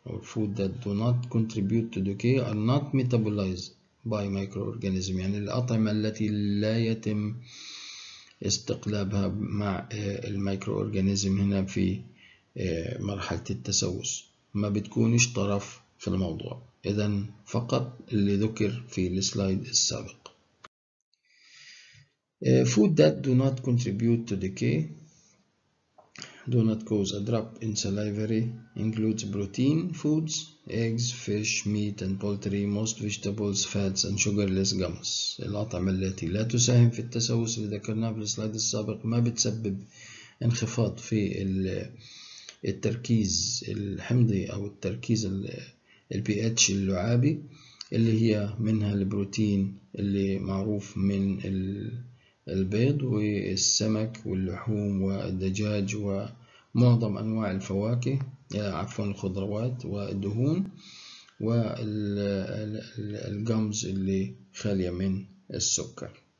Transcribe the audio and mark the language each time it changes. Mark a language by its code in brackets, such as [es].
[en] food that do not contribute to decay are not metabolized by microorganism، [ar] يعني الأطعمة التي لا يتم استقلابها مع الميكروأورجانيزم هنا في مرحلة التسوس، ما بتكونش طرف في الموضوع. إذا فقط اللي ذكر في السلايد السابق. [en] food that do not contribute to decay do not cause a drop in salivary includes protein foods, eggs, fish, meat and poultry, most vegetables, fats and sugarless gums. [ar] الأطعمة التي لا تساهم في التسوس اللي ذكرناه في السلايد السابق ما بتسبب انخفاض في التركيز الحمضي أو التركيز الـ pH اللعابي، اللي هي منها البروتين اللي معروف من البيض والسمك واللحوم والدجاج ومعظم أنواع الفواكه، عفوا الخضروات والدهون، والجمز اللي خالية من السكر.